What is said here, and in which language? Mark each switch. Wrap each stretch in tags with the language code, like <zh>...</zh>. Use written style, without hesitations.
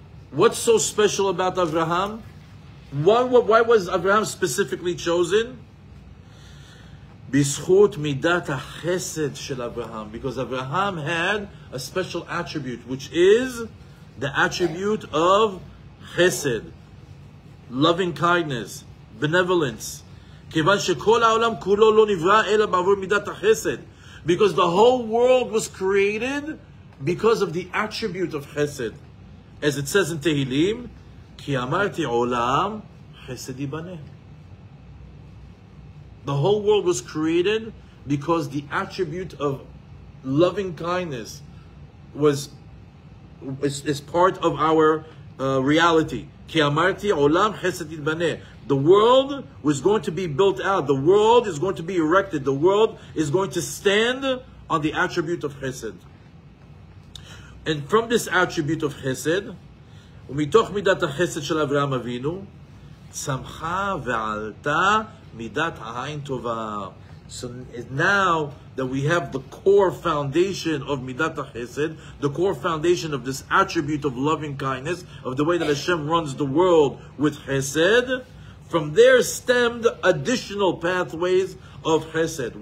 <en>What's so special about Avraham? Why was Avraham specifically chosen?</en> <he>בזכות מידת החסד של אברהם,</he> <en>because Avraham had a special attribute, which is the attribute of chesed. Loving kindness, benevolence.</en> <he>כיוון שכל העולם כולו לא נברא אלא בעבור מידת החסד.</he> <en>Because the whole world was created because of the attribute of חסד. As it says in Tehillim,</en> <he>כי אמרתי עולם חסד יבנה.</he> <en>The whole world was created because the attribute of loving kindness is part of our reality.</en> <he>Ki'amarti olam chesed yitbaneh.</he> <en>The world was going to be built out. The world is going to be erected. The world is going to stand on the attribute of chesed. And from this attribute of chesed,</en> <he>ומתוך מידת החסד של אברהם אבינו, צמחה ועלתה מידת העין טובה.</he> <en>So now that we have the core foundation of midat ha-chesed, the core foundation of this attribute of loving kindness, of the way that Hashem runs the world with chesed, from there stemmed additional pathways of chesed.</en>